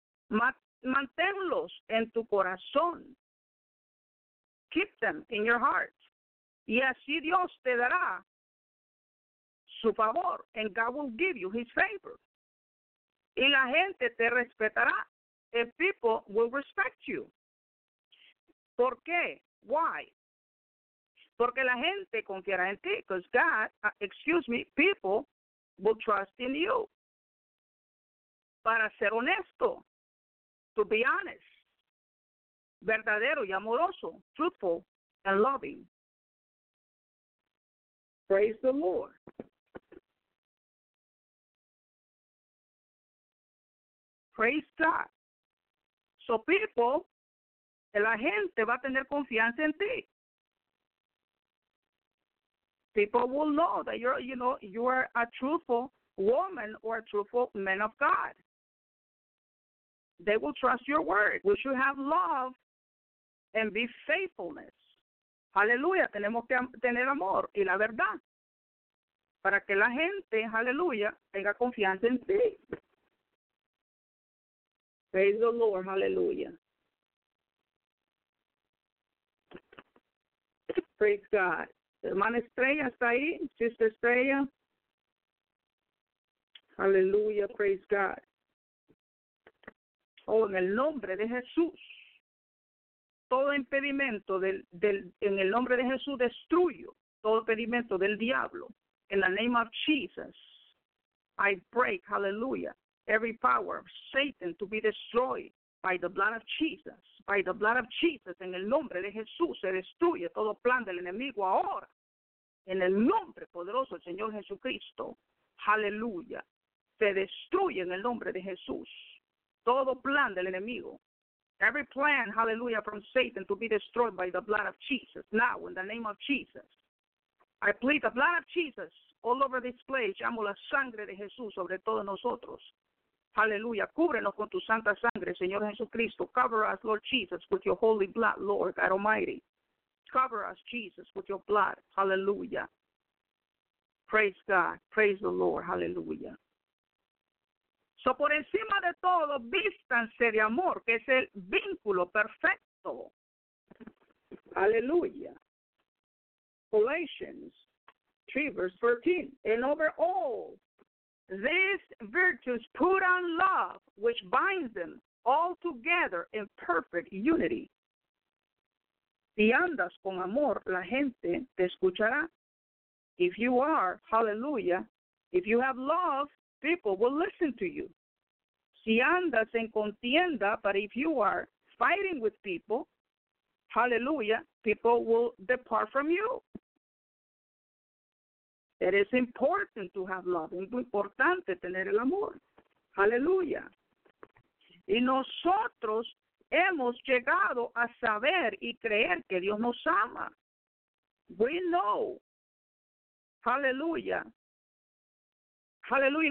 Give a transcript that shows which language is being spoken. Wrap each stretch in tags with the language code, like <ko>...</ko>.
<es>Manténlos en tu corazón.</es> <en>Keep them in your heart.</en> <es>Y así Dios te dará su favor.</es> <en>And God will give you his favor.</en> <es>Y la gente te respetará.</es> <en>And people will respect you.</en> <es>¿Por qué?</es> <en>Why?</en> <es>Porque la gente confiará en ti.</es> <en>Because God, people will trust in you.</en> <es>Para ser honesto.</es> <en>To be honest.</en> <es>Verdadero y amoroso.</es> <en>Truthful and loving. Praise the Lord. Praise God. So people,</en> <es>la gente va a tener confianza en ti.</es> <en>People will know that you are a truthful woman or a truthful man of God. They will trust your word. We should have love and be faithfulness. Hallelujah.</en> <es>Tenemos que tener amor y la verdad. Para que la gente, hallelujah, tenga confianza en ti.</es> <en>Praise the Lord, hallelujah. Praise God.</en> <es>Hermana Estrella está ahí,</es> <en>Sister Estrella. Hallelujah, praise God.</en> <es>Oh, en el nombre de Jesús, todo impedimento en el nombre de Jesús, destruyo todo impedimento del diablo.</es> <en>In the name of Jesus, I break, hallelujah, every power of Satan to be destroyed by the blood of Jesus. By the blood of Jesus,</en> <es>en el nombre de Jesús, se destruye todo plan del enemigo ahora. En el nombre poderoso del Señor Jesucristo, hallelujah, se destruye en el nombre de Jesús todo plan del enemigo.</es> <en>Every plan, hallelujah, from Satan to be destroyed by the blood of Jesus. Now, in the name of Jesus, I plead the blood of Jesus all over this place.</en> <es>Llamo la sangre de Jesús sobre todos nosotros. Hallelujah. Cúbrenos con tu santa sangre, Señor Jesucristo.</es> <en>Cover us, Lord Jesus, with your holy blood, Lord God Almighty. Cover us, Jesus, with your blood. Hallelujah. Praise God. Praise the Lord. Hallelujah.</en> <es>So por encima de todo, vístanse de amor, que es el vínculo perfecto.</es> <en>Hallelujah. Galatians 3, verse 13. And over all these virtues, put on love, which binds them all together in perfect unity.</en> <es>Si andas con amor, la gente te escuchará.</es> <en>If you are, hallelujah, if you have love, people will listen to you.</en> <es>Si andas en contienda,</es> <en>but if you are fighting with people, hallelujah, people will depart from you. It is important to have love.</en> <es>Es importante tener el amor. Hallelujah. Y nosotros hemos llegado a saber y creer que Dios nos ama.</es> <en>We know.</en> <es>Hallelujah. Hallelujah.</es>